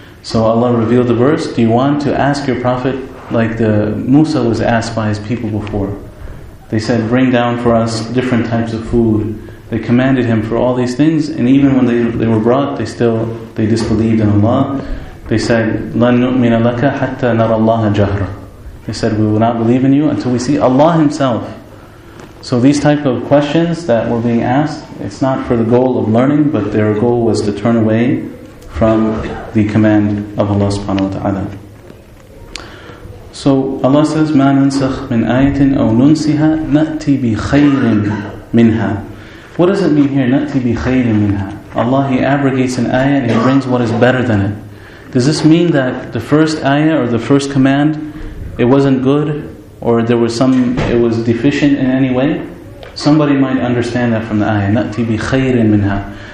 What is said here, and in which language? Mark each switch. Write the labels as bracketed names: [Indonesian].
[English] So Allah revealed the verse, do you want to ask your Prophet like the Musa was asked by his people before? They said, bring down for us different types of food. They commanded him for all these things, and even when they were brought, they still disbelieved in Allah. They said, [Arabic] لَن نُؤْمِنَ لَكَ حَتَّى نَرَى اللَّهَ جَهْرًا. [English] They said, we will not believe in you until we see Allah Himself. So these type of questions that were being asked, it's not for the goal of learning, but their goal was to turn away from the command of Allah subhanahu wa ta'ala. So Allah says, [Arabic] مَا نَنْسَخْ مِنْ آيَةٍ أَوْ نُنْسِهَا نَأْتِي بِخَيْرٍ مِنْهَا. [English] What does it mean here? [Arabic] نَأْتِي بِخَيْرٍ مِنْهَا. [English] Allah, He abrogates an ayah and He brings what is better than it. Does this mean that the first ayah or the first command, it wasn't good, or there was some, it was deficient in any way? Somebody might understand that from the ayah, [Arabic] نَأْتِي بِخَيْرٍ مِنْهَا.